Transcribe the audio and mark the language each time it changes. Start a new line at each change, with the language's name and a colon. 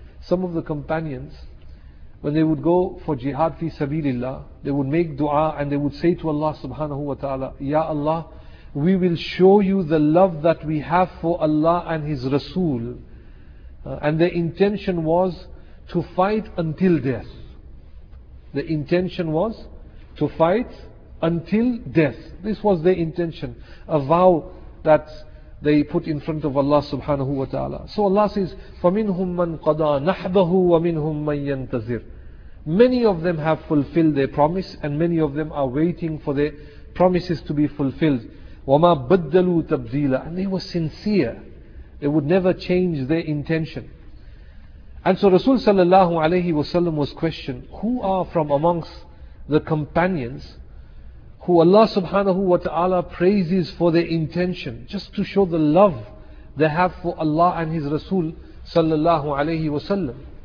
English: Some of the companions, when they would go for jihad fi sabilillah, they would make dua and they would say to Allah subhanahu wa ta'ala, Ya Allah, we will show you the love that we have for Allah and His Rasul. And their intention was to fight until death. The intention was to fight until death. This was their intention, a vow that they put in front of Allah subhanahu wa ta'ala. So Allah says,
Arabic: فَمِنْهُمْ مَنْ قَضَى نَحْبَهُ وَمِنْهُمْ مَنْ يَنْتَزِرُ.
English: Many of them have fulfilled their promise, and many of them are waiting for their promises to be fulfilled.
Arabic: وَمَا بَدَّلُوا تَبْزِيلًا.
English: And they were sincere. They would never change their intention. And so Rasul sallallahu alayhi wa sallam was questioned, who are from amongst the companions who Allah subhanahu wa ta'ala praises for their intention, just to show the love they have for Allah and His Rasul sallallahu alayhi wa sallam.